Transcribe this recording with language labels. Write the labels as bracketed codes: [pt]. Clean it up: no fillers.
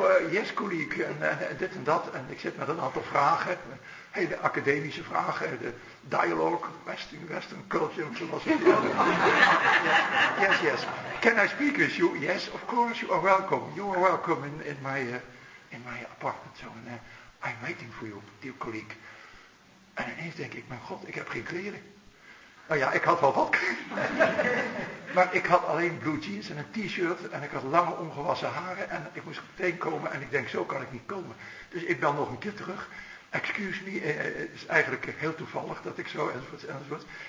[en] Yes, colleague, [nl] en dit en dat, en ik zit met een aantal vragen, hele academische vragen, de dialogue, Western culture, zoals het is. [en] Yes, yes, can I speak with you? Yes, of course, you are welcome, in my apartment, so, and I'm waiting for you, dear colleague. [nl] En ineens denk ik, mijn god, ik heb geen kleren. Nou ja, ik had wel wat. Maar ik had alleen blue jeans en een t-shirt. En ik had lange ongewassen haren. En ik moest meteen komen. En ik denk, zo kan ik niet komen. Dus ik bel nog een keer terug. [en] Excuse me, [nl] het is eigenlijk heel toevallig dat ik zo enzovoort enzovoort.